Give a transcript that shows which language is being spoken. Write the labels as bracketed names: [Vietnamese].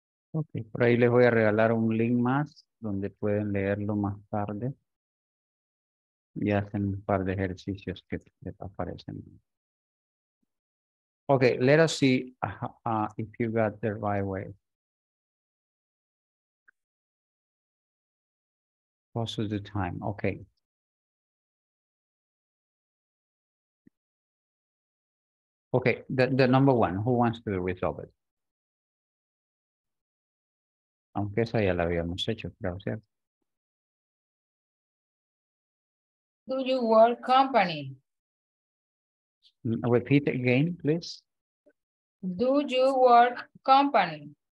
[Spanish] Okay, por ahí les voy a regalar un link más donde pueden leerlo más tarde y hacen un par de ejercicios que aparecen. [English] Okay, let us see if you got the right way. What's the time? Okay. Okay, the number one, who wants to resolve it? [Spanish] Aunque esa ya la habíamos hecho, creo, ¿cierto? [English] Do you work company? Repeat again, please. Do you work company?